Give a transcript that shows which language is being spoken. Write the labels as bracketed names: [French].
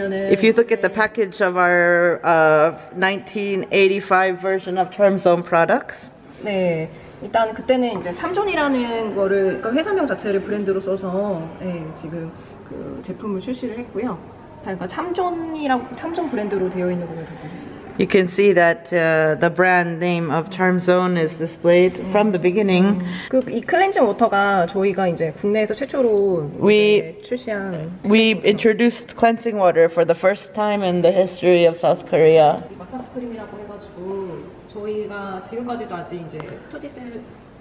[English] If you look at the package of our 1985 version of Charmzone products. [Korean] 네. 일단 그때는 이제 참존이라는 거를 그러니까 회사명 자체를 브랜드로 써서 네, 지금 그 제품을 출시를 했고요. 그러니까 참존이라고 참존 브랜드로 되어 있는 거를 보실 수 있어요. [English] You can see that the brand name of Charmzone is displayed from the beginning. [Korean] 그 이 클렌징 워터가 저희가 이제 국내에서 최초로 출시한 [English] We introduced cleansing water for the first time in the history of South Korea. [Korean] 마사지 크림이라고 해가지고 저희가 지금까지도 아직 이제 스테디셀러인